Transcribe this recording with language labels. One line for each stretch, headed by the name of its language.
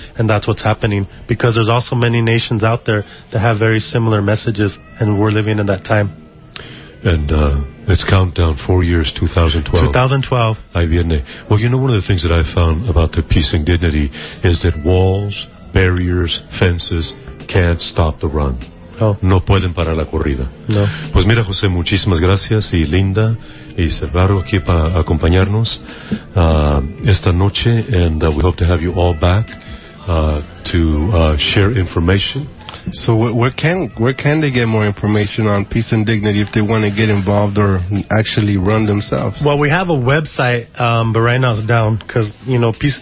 English: And that's what's happening, because there's also many nations out there that have very similar messages, and we're living in that time. And it's countdown, 4 years, 2012.
Spanish: Ahí viene.
English: Well, you know, one of the things that I found about the peace and dignity is that walls, barriers, fences can't stop the run. Oh.
Spanish: No pueden parar la corrida. No. Pues mira, José, muchísimas gracias. Y Linda y Cervaro aquí para acompañarnos esta noche.
English: And we hope to have you all back to share information. So where can they get more information on Peace and Dignity if they want to get involved or actually run themselves? Well, we have a website, but right now it's down because, you know, peace.